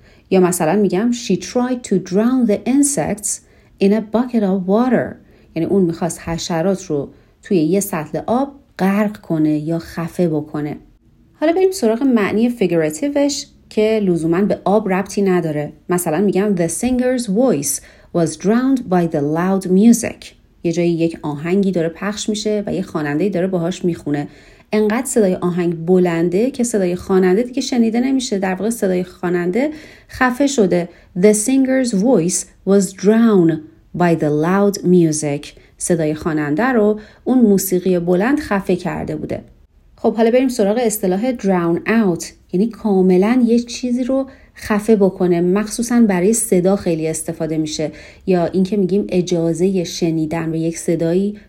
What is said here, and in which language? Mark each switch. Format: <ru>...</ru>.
<fa>یا مثلا میگم</fa> <en>she tried to drown the insects in a bucket of water.</en> <fa>یعنی اون میخواست حشرات رو توی یه سطل آب غرق کنه یا خفه بکنه. حالا بریم سراغ معنی فیگوراتیوش که لزوماً به آب ربطی نداره. مثلا میگم</fa> <en>the singer's voice was drowned by the loud music.</en> <fa>یه جایی یک آهنگی داره پخش میشه و یه خواننده‌ای داره باهاش میخونه. انقدر صدای آهنگ بلنده که صدای خواننده دیگه شنیده نمیشه. در واقع صدای خواننده خفه شده.</fa> <en>The singer's voice was drowned by the loud music.</en> <fa>صدای خواننده رو اون موسیقی بلند خفه کرده بوده. خب حالا بریم سراغ اصطلاح drown out، یعنی کاملا یه چیزی رو خفه بکنه، مخصوصا برای صدا خیلی استفاده میشه، یا اینکه میگیم اجازه شنیدن و یک صدایی</fa>